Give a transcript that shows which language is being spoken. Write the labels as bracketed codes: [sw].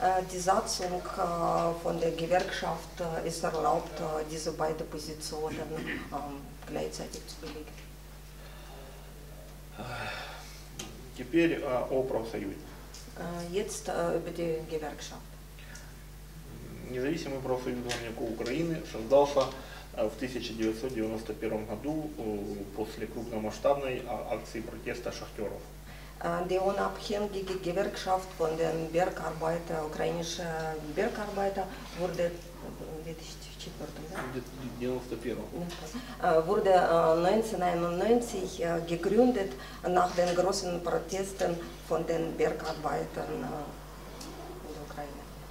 [de] Die Satzung von der Gewerkschaft ist erlaubt, diese beiden Positionen gleichzeitig zu belegen. [ru] Теперь о профсоюзе. [de] Jetzt über die Gewerkschaft. [ru] Независимый профсоюз горняков Украины создался в 1991 году после крупномасштабной акции протеста шахтеров. [de] Die unabhängige Gewerkschaft von den Bergarbeiter, ukrainische Bergarbeiter, wurde 1991 gegründet nach den großen Protesten von den Bergarbeitern in der Ukraine.